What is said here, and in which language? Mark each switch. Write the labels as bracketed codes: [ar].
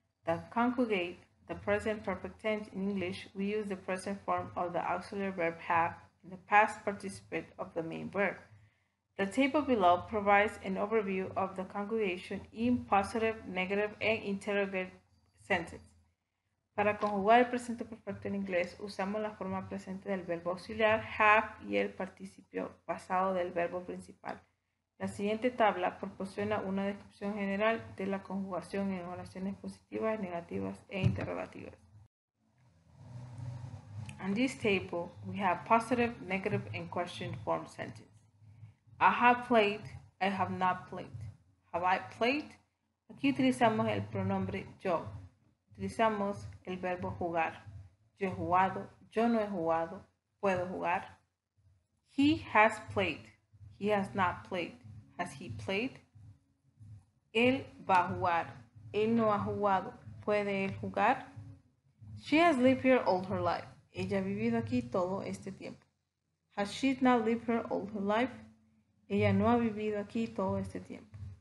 [en] To conjugate the present perfect tense in English, we use the present form of the auxiliary verb have in the past participant of the main verb. The table below provides an overview of the conjugation in positive, negative, and interrogative sentences. [es] Para conjugar el presente perfecto en inglés, usamos la forma presente del verbo auxiliar have y el participio pasado del verbo principal. La siguiente tabla proporciona una descripción general de la conjugación en oraciones positivas, negativas, e interrogativas. [en] On this table, we have positive, negative, and question form sentences. I have played, I have not played. Have I played? [es] Aquí utilizamos el pronombre yo. Utilizamos el verbo jugar. Yo he jugado, yo no he jugado, puedo jugar. [en] He has played, he has not played. Has he played? [es] Él va a jugar, él no ha jugado, ¿puede él jugar? [en] She has lived here all her life. [es] Ella ha vivido aquí todo este tiempo. [en] Has she not lived here all her life? [es] Ella no ha vivido aquí todo este tiempo.